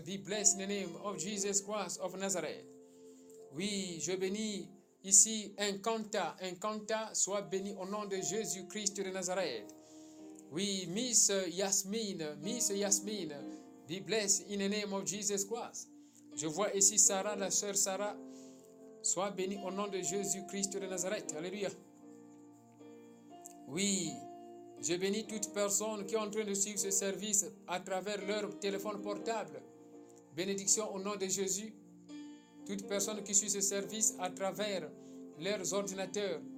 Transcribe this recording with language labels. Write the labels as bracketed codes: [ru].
[en] Be blessed in the name of Jesus Christ of Nazareth. [fr] Oui, je bénis ici Encanta. Encanta, sois béni au nom de Jésus-Christ de Nazareth. Oui, Miss Yasmine. Miss Yasmine. [en] Be blessed in the name of Jesus Christ. [fr] Je vois ici Sarah, la sœur Sarah. Sois béni au nom de Jésus-Christ de Nazareth. Alléluia. Oui, je bénis toute personne qui est en train de suivre ce service à travers leur téléphone portable. Bénédiction au nom de Jésus. Toute personne qui suit ce service à travers leurs ordinateurs.